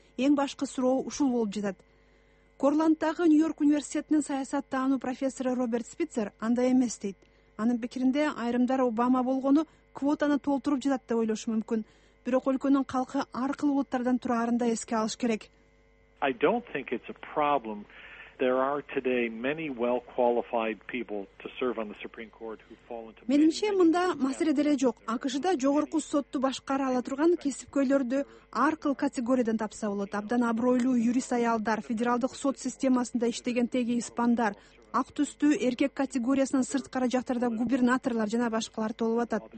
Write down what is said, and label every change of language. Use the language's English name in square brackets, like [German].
[Kyrgyz] Эң башкы суроо ушул болуп жатат. Корланддагы Нью-Йорк университетинин саясаттануу профессору Роберт Спицер андай эмес дейт. Анын пикиринде айрымдар Обама болгону квотаны толтуруп жатат деп ойлошу мүмкүн. Бирок өлкөнүн калкы ар кылуу улуттардан тураарын да эске алыш керек. [English] I don't think it's a problem. There are today many well-qualified people to serve on the Supreme Court who fall into [Kyrgyz] Менимче мында маселе деле жок. АКШда жогорку сотту башкара ала турган кесипкөйлөрдү ар кыл категориядан тапса болот. Абдан абройлуу юрист аялдар, федералдык сот системасында иштеген теги испандар, ак түстүү эркек категориясынан сырт кара жактарда губернаторлор жана башкалар толуп атат.